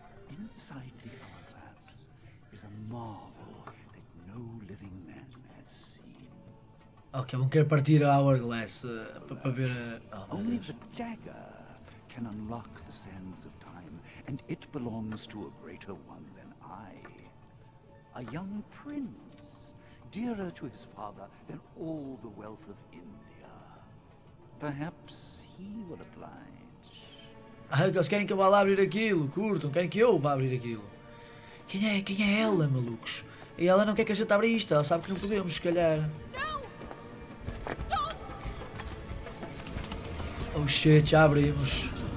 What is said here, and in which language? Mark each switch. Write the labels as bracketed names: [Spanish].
[English] Inside the hourglass is a marvel that no living man has seen. [Portuguese] Ok, vão querer partir a hourglass para ver. [English] Only the dagger can unlock the sands of time, and it belongs to a greater one than I. A young prince, dearer to his father than all the wealth of India. Perhaps he will apply. [Portuguese] Ah, eles querem que eu vá lá abrir aquilo, curtam, querem que eu vá abrir aquilo. Quem é ela, malucos? E ela não quer que a gente abra isto, ela sabe que não podemos, se calhar. [English] Oh shit, [Portuguese] já abrimos.